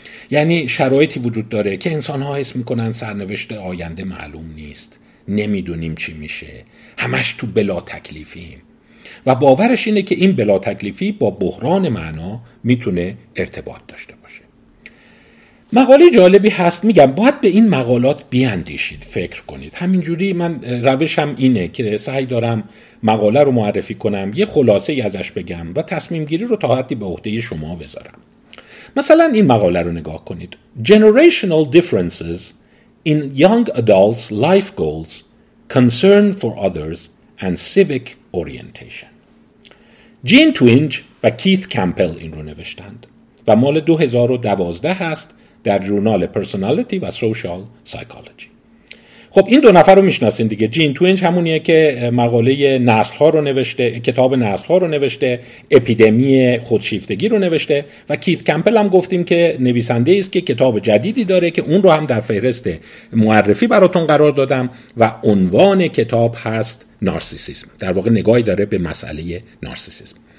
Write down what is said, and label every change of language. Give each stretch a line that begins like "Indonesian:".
Persian: یعنی شرایطی وجود داره که انسان ها حس میکنن سرنوشت آینده معلوم نیست، نمیدونیم چی میشه، همش تو بلا تکلیفیم و باورش اینه که این بلا تکلیفی با بحران معنا میتونه ارتباط داشته باشه. مقاله جالبی هست، میگم باید به این مقالات بیاندیشید، فکر کنید. همینجوری من روشم اینه که سعی دارم مقاله رو معرفی کنم، یه خلاصه ای ازش بگم و تصمیم گیری رو تا حدی به عهده شما بذارم. مثلا این مقاله رو نگاه کنید:
English: Generational differences in young adults' life goals, concern for others and civic orientation.
Persian: جین توینج و کیث کمپل این رو نوشتند و مال 2012 هست در جورنال پرسونالیتی و سوشال سایکولوژی. خب این دو نفر رو میشناسین دیگه. جین توینج همونیه که مقاله نسل ها رو نوشته، کتاب نسل ها رو نوشته، اپیدمی خودشیفتگی رو نوشته، و کیت کمپل هم گفتیم که نویسنده ایست که کتاب جدیدی داره که اون رو هم در فهرست معرفی براتون قرار دادم و عنوان کتاب هست نارسیسیسم، در واقع نگاهی داره به مسئله نارسیسیسم.